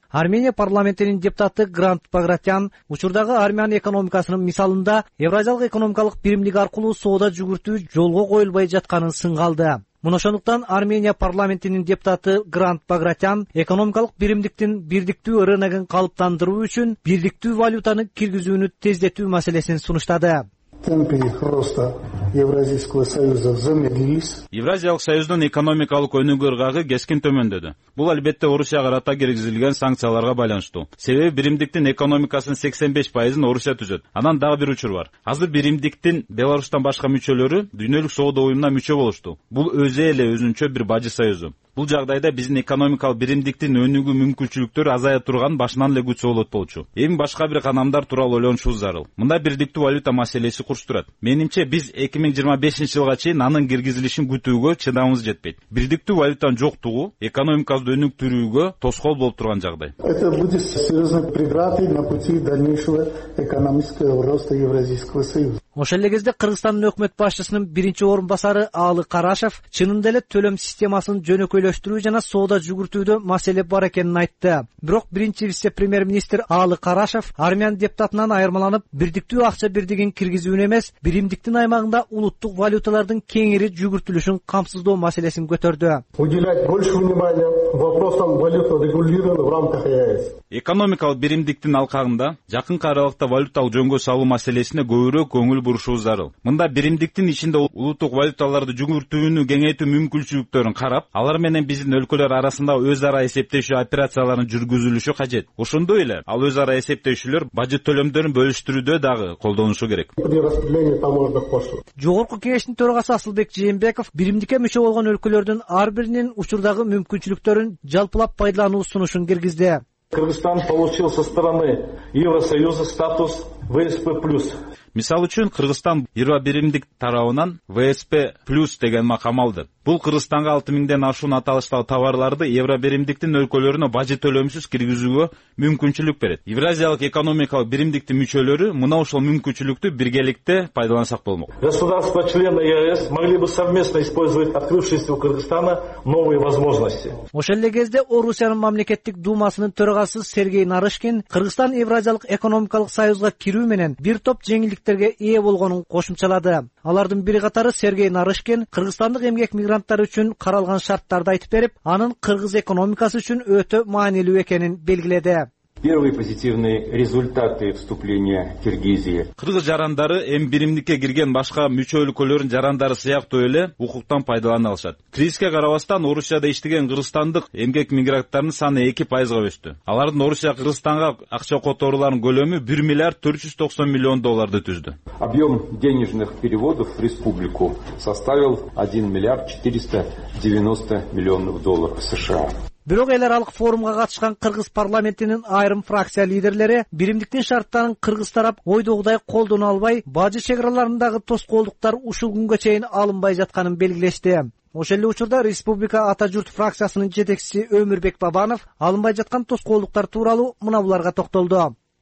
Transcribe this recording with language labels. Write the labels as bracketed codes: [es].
[ky] Армения парламентинин депутаты Грант Багратян учурдагы армян экономикасынын мисалында евразиялык экономикалык биримдик аркылуу соода жүгүртүү жолго коюлбай жатканын сынга алды. Мына ошондуктан Армения парламентинин депутаты Грант Багратян экономикалык биримдиктин бирдиктүү рыногун калыптандыруу үчүн бирдиктүү валютаны киргизүүнү тездетүү маселесин сунуштады. [ru] Темпы роста Евразийского союза замедлились. [ky] Евразиялык союздун экономикалык өнүгүү ыргагы кескин төмөндөдү. Бул албетте Орусияга карата киргизилген санкцияларга байланыштуу. Себеби биримдиктин экономикасынын 85% Орусия түзөт. Анан дагы бир учур бар. Азыр биримдиктин Беларусьтан башка мүчөлөрү дүйнөлүк соода уюмуна мүчө болушту. Бул өзү эле өзүнчө бир бажы союзу. Бул жагдайда биздин экономикалык биримдиктин өнүгүү мүмкүнчүлүктөрү азая турган башынан эле күтсө болот болчу. Эми башка бир канамдар тууралуу ойлонушубуз зарыл. Мындай бирдиктүү валюта маселеси курчтурат. Менимче биз 2025 жылга чейин анын киргизилишин күтүүгө чыдамыбыз жетпейт. Бирдиктүү валютанын жоктугу экономикабызды өнүктүрүүгө тоскоол болуп турган жагдай. [ru] Это будет серьезной преградой на пути дальнейшего экономического роста Евразийского союза. [ky] Ошол эле кезде Кыргызстандын өкмөт башчысынын биринчи орун басары Аалы Карашев чынында эле төлөм системасын жөнөкөйлөштүрүү жана соода жүгүртүүдө маселе бар экенин айтты. Бирок биринчи вице премьер министр Аалы Карашев армян депутатынан айырмаланып, бирдиктүү акча бирдигин киргизүүнү эмес, биримдиктин аймагында улуттук валюталардын кеңири жүгүртүлүшүн камсыздоо маселесин көтөрдү. [ru] Уделять больше внимания вопросам валюта регулирования в рамках ЕАЭС. [ky] Экономикалык биримдиктин алкагында жакынкы аралыкта валюталык жөнгө салуу маселесине көбүрөөк көңүл бурушубуз зарыл. Мында биримдиктин ичинде улуттук валюталарды жүгүртүүнү кеңейтүү мүмкүнчүлүктөрүн карап, алар менен биздин өлкөлөр арасында өз ара эсептешүү операцияларын жүргүзүлүшү кажет. Ошондой эле ал өз ара эсептешүүлөр бажы төлөмдөрүн бөлүштүрүүдө дагы колдонушу керек. Жогорку кеңештин төрагасы Асылбек Жээнбеков биримдикке мүчө болгон өлкөлөрдүн ар биринин учурдагы мүмкүнчүлүктөрүн жалпылап пайдалануу сунушун киргизди. [ru] Кыргызстан получил со стороны Евросоюза статус ВСП+. [ky] Мисал үчүн Кыргызстан 21-миндик тарабынан ВСП плюс деген макам алды. Бул Кыргызстанга 6000ден ашуун аталыштагы товарларды Евробиримдиктин өлкөлөрүнө бажет төлөмсүз киргизүүгө мүмкүнчүлүк берет. Евразиялык экономикалык биримдиктин мүчөлөрү мына ушул мүмкүнчүлүктү биргеликте пайдалансак болмок. [ru] Государства члены ЕС могли бы совместно использовать открывшиеся у Кыргызстана новые возможности. [ky] Ошол эле кезде Орусиянын мамлекеттик думасынын төрагасы Сергей Нарышкин Кыргызстан Евразиялык экономикалык союзга кирүү менен бир топ жеңилдиктерге ээ болгонун кошумчалады. Алардын бири катары Сергей Нарышкин кыргызстандык эмгек мигранттар үчүн каралган шарттарды айтып берип, анын кыргыз экономикасы үчүн өтө маанилүү экенин белгиледи. [ru] Первые позитивные результаты вступления Киргизии. [ky] Кыргыз жарандары М1-ке кирген башка мүчө өлкөлөрүн жарандары сыяктуу эле укуктан пайдалана алышат. Кризиске карабастан Орусияда иштеген кыргызстандык эмгек мигранттарынын саны 2% өстү. Алардын Орусия Кыргызстанга акча которууларынын көлөмү 1 миллиард 490 миллион долларды түздү. [ru] Объем денежных переводов в республику составил 1 миллиард 490 миллионов долларов США. [ky] Бирок эл аралык форумга катышкан кыргыз парламентинин айрым фракция лидерлери биримдиктин шарттарын кыргыз тарап ойдогудай колдоно албай, бажы чек аралыгындагы тоскоолдуктар ушул күнгө чейин алынбай жатканын белгилешти. Ошол эле учурда Республика Атажурт фракциясынын жетекчиси Өмүрбек Бабанов алынбай жаткан тоскоолдуктар тууралуу мына буларга токтолду.